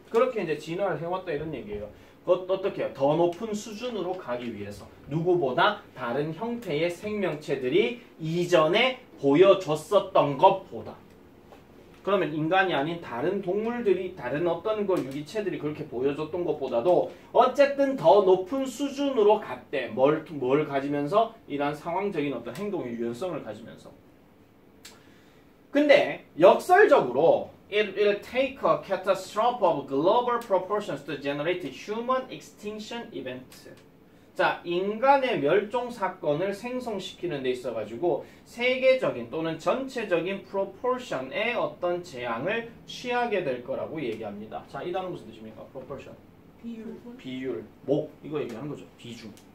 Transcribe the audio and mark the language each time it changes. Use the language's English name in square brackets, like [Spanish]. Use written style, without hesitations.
[Korean] 그렇게 이제 진화를 해왔다 이런 얘기예요. 어떻게 해요? 더 높은 수준으로 가기 위해서 누구보다 다른 형태의 생명체들이 이전에 보여줬었던 것보다 그러면 인간이 아닌 다른 동물들이 다른 어떤 걸 유기체들이 그렇게 보여줬던 것보다도 어쨌든 더 높은 수준으로 갔대. 뭘 가지면서 이러한 상황적인 어떤 행동의 유연성을 가지면서 근데 역설적으로 [English] It will take a catastrophe of global proportions to generate human extinction event. [Korean] 자, 인간의 멸종 사건을 생성시키는 데 있어가지고 세계적인 또는 전체적인 proportion의 어떤 재앙을 취하게 될 거라고 얘기합니다. 자, 이 단어 무슨 뜻입니까? [English] proportion. [Korean] 비율. 비율. 목. 이거 얘기하는 거죠. 비중.